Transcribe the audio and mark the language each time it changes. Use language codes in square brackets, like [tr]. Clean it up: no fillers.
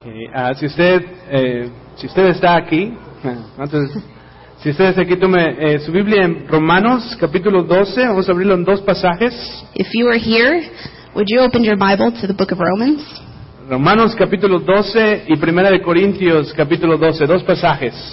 [es] Si usted está aquí, entonces, si usted está aquí, tome su Biblia en Romanos capítulo 12. Vamos a abrirlo en dos pasajes. [en] If you are here, would you open your Bible to the book of Romans? [es] Romanos capítulo 12 y Primera de Corintios capítulo 12, dos pasajes.